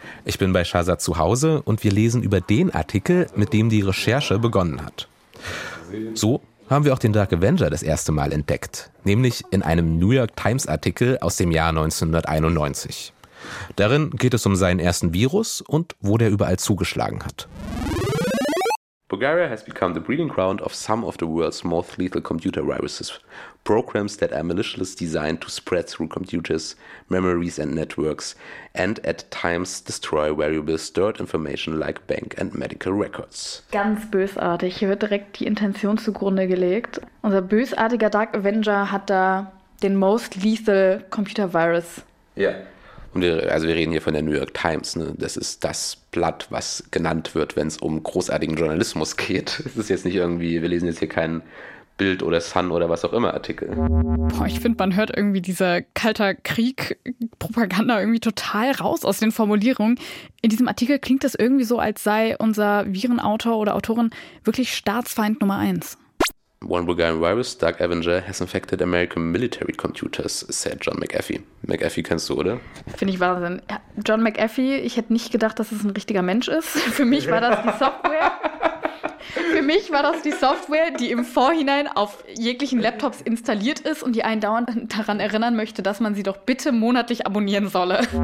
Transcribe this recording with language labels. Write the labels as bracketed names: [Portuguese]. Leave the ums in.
[German] Ich bin bei Shazad zu Hause und wir lesen über den Artikel, mit dem die Recherche begonnen hat. So haben wir auch den Dark Avenger das erste Mal entdeckt, nämlich in einem New York Times Artikel aus dem Jahr 1991. Darin geht es um seinen ersten Virus und wo der überall zugeschlagen hat. [English] Bulgaria has become the breeding ground of some of the world's most lethal computer viruses, programs that are maliciously designed to spread through computers, memories, and networks, and at times destroy valuable stored information like bank and medical records. [German] Ganz bösartig. Hier wird direkt die Intention zugrunde gelegt. Unser bösartiger Dark Avenger hat da den Most Lethal Computer Virus. Ja. Und wir, also wir reden hier von der New York Times. Ne? Das ist das Blatt, was genannt wird, wenn es um großartigen Journalismus geht. Es ist jetzt nicht irgendwie, wir lesen jetzt hier keinen Bild oder Sun oder was auch immer Artikel. Boah, ich finde, man hört irgendwie diese kalter Krieg-Propaganda irgendwie total raus aus den Formulierungen. In diesem Artikel klingt das irgendwie so, als sei unser Virenautor oder Autorin wirklich Staatsfeind Nummer eins. [English] One Bulgarian virus, Dark Avenger, has infected American military computers, said John McAfee. [German] McAfee kennst du, oder? Finde ich Wahnsinn. Ja, John McAfee, ich hätte nicht gedacht, dass es ein richtiger Mensch ist. Für mich war das die Software. Für mich war das die Software, die im Vorhinein auf jeglichen Laptops installiert ist und die einen dauernd daran erinnern möchte, dass man sie doch bitte monatlich abonnieren solle.